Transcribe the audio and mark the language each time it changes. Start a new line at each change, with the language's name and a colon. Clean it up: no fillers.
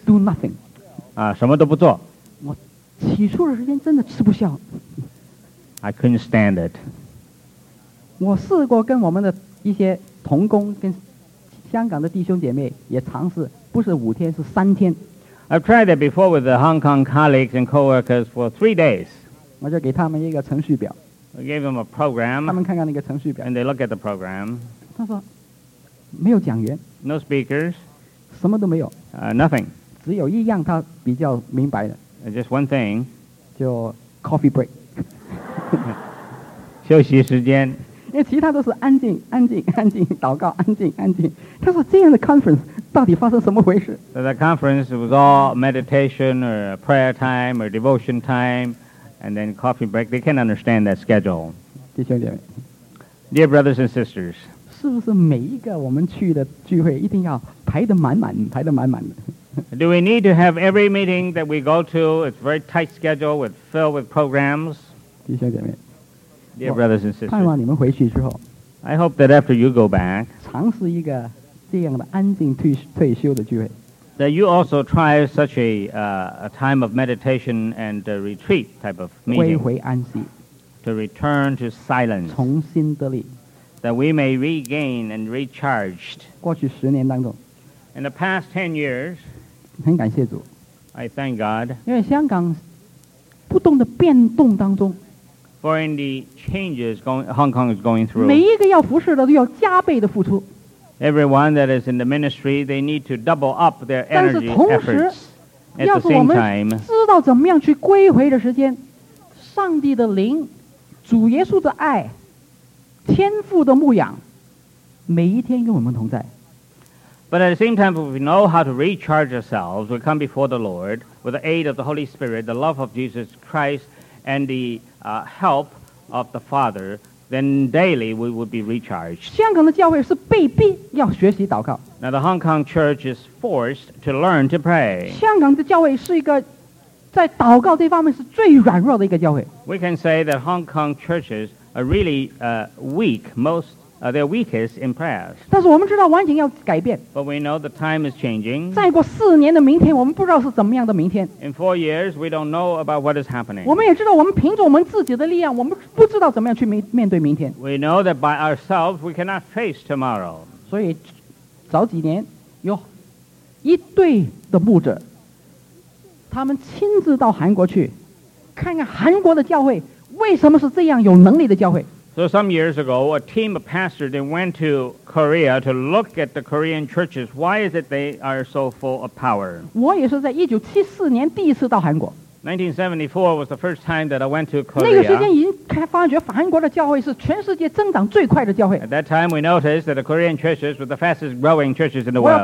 English: do nothing,
Chinese: 什么都不做, 我起初的时间真的吃不消,
English: I couldn't stand it.
Chinese: 我试过跟我们的一些同工跟香港的弟兄姐妹也尝试，不是五天，是三天。
English: I've tried it before with the Hong Kong colleagues and co-workers for 3 days.
Chinese: 我就给他们一个程序表。
English: I gave them a program.
Chinese: 他们看看那个程序表。
English: And they look at the program.
Chinese: 他说，没有讲员。
English: No speakers.
Chinese: 什么都没有。
English: Nothing.
Chinese: 只有一样他比较明白的。
English: Just one thing.
Chinese: 就 coffee break. 休息时间。因为其他都是安静，安静，安静，祷告，安静，安静。他说这样的 conference 到底发生什么回事
English: ？So the conference was all meditation or prayer time or devotion time. And then coffee break. They can't understand that schedule.
Chinese: 弟兄姐妹。
English: Dear brothers and sisters.
Chinese: 是不是每一个我们去的聚会一定要排得满满，排得满满的。
English: Do we need to have every meeting that we go to? It's a very tight schedule with filled with programs.
Chinese: 弟兄姐妹。
English: Dear brothers and sisters.
Chinese: 盼望你们回去之后。
English: I hope that after you go back.
Chinese: 尝试一个这样的安静退休的聚会。
English: That you also try such a time of meditation and a retreat type of meeting.
Chinese: 归回安息。
English: To return to silence.
Chinese: 重新得力。
English: That we may regain and recharge.
Chinese: 过去十年当中。
English: In the past 10 years.
Chinese: 很感谢主。
English: I thank God.
Chinese: 因为香港不动的变动当中。
English: For in the changes Hong Kong is going through.
Chinese: 每一个要服侍的都要加倍的付出。
English: Everyone that is in the ministry, they need to double up their energy efforts at the same time.
Chinese: 知道怎么样去归回的时间，上帝的灵，主耶稣的爱，天父的牧养，每一天跟我们同在。
English: But at the same time, if we know how to recharge ourselves, we come before the Lord with the aid of the Holy Spirit, the love of Jesus Christ, and the help of the Father. Then daily we would be recharged.
Chinese: 香港的教会是被逼要学习祷告。
English: Now the Hong Kong church is forced to learn to pray.
Chinese: 香港的教会是一个在祷告这方面是最软弱的一个教会。
English: We can say that Hong Kong churches are really weak, they're weakest in prayers.
Chinese: 但是我们知道环境要改变。
English: But we know the time is changing.
Chinese: 再过四年的明天，我们不知道是怎么样的明天。
English: In 4 years, we don't know about what is happening.
Chinese: 我们也知道，我们凭着我们自己的力量，我们不知道怎么样去面对明天。
English: We know that by ourselves, we cannot face tomorrow.
Chinese: 所以，早几年有一队的牧者，他们亲自到韩国去，看看韩国的教会为什么是这样有能力的教会。
English: So some years ago, a team of pastors, they went to Korea to look at the Korean churches. Why is it they are so full of power?
Chinese: 1974年第一次到韩国。
English: 1974 was the first time that I went to Korea. At that time, we noticed that the Korean churches were the fastest growing churches in the world.